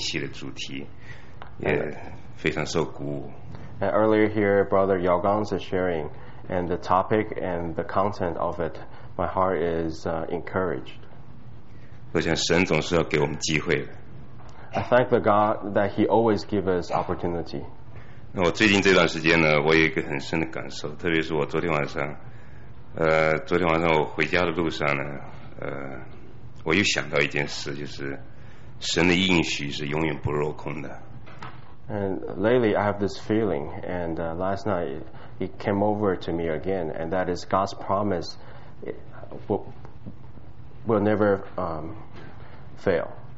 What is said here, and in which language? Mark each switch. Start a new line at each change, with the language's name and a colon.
Chinese: 刚才听姚刚弟兄做的总结，讲夏令会的一些信息的主题，也非常受鼓舞。
English: And earlier here, Brother Yao Gang's sharing, and the topic and the content of it, my heart is encouraged.
Chinese: 我想神总是要给我们机会的。
English: I thank the God that He always gives us opportunity.
Chinese: 那我最近这段时间呢，我有一个很深的感受，特别是我昨天晚上，昨天晚上我回家的路上呢，我又想到一件事，就是神的应许是永远不落空的。
English: And lately I have this feeling, and last night it came over to me again, and that is God's promise will never fail.